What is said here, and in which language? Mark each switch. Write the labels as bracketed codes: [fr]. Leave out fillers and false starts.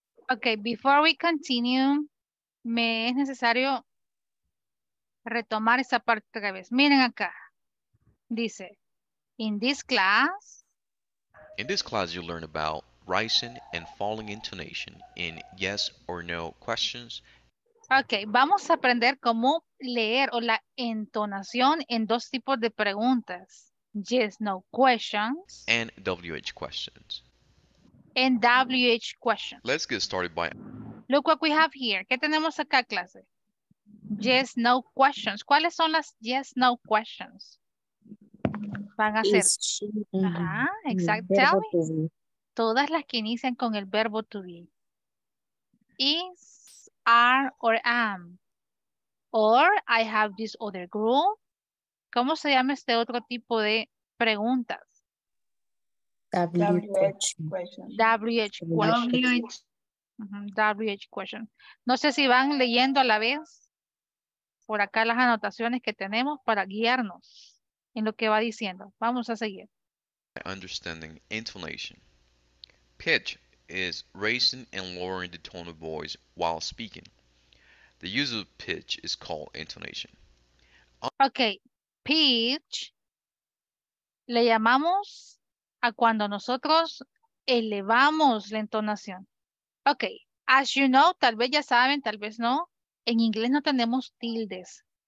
[es] Okay, before we continue, me es necesario retomar esa parte otra vez. Miren acá. [en] Dice, In this class you learn about rising and falling intonation in yes or no questions. [es] Okay, vamos a aprender cómo leer o la entonación en dos tipos de preguntas. [en] Yes, no questions. And WH questions. And WH questions. Let's get started by... Look what we have here. ¿Qué tenemos acá, clase? Yes, no questions. [es] ¿Cuáles son las yes, no questions? Van a ser... [en] Is she... Exactly. Tell me. [es] Todas las que inician con el verbo to be. Is, are, or am. Or, I have this other group. ¿Cómo se llama este otro tipo de preguntas? [en] WH questions. WH questions. WH WH question. [es] No sé si van leyendo a la vez por acá las anotaciones que tenemos para guiarnos en lo que va diciendo. Vamos a seguir. [en] Understanding intonation. Pitch is raising and lowering the tone of voice while speaking. The use of pitch is called intonation. [es] Okay, pitch le llamamos a cuando nosotros elevamos la entonación. Okay, as you know, tal vez ya saben, tal vez no, en inglés no tenemos tildes.